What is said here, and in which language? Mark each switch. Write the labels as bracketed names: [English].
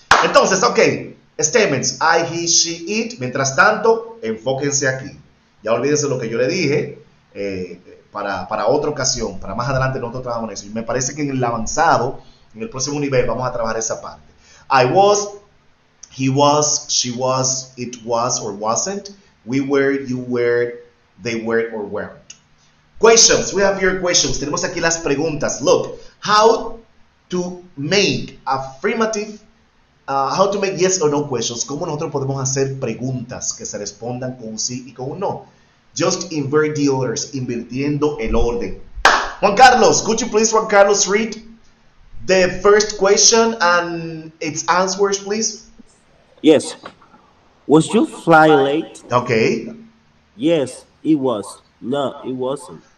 [Spanish] Entonces, ok, [English] statements, I, he, she, it. [Spanish] Mientras tanto, enfóquense aquí. Ya olvídense lo que yo le dije, para otra ocasión, para más adelante nosotros trabajamos en eso. Y me parece que en el avanzado, en el próximo nivel, vamos a trabajar esa parte. [English] I was, he was, she was, it was or wasn't. We were, you were, they were or weren't. Questions, we have your questions. [Spanish] Tenemos aquí las preguntas. [English] Look, how to make affirmative, how to make yes or no questions. [Spanish] ¿Cómo nosotros podemos hacer preguntas que se respondan con un sí y con un no? [English] Just invert the orders, [Spanish] invirtiendo el orden. [English] Juan Carlos, could you please, Juan Carlos, read the first question and its answers, please? Yes. Was your flight late? Okay. Yes, it was. No, it wasn't.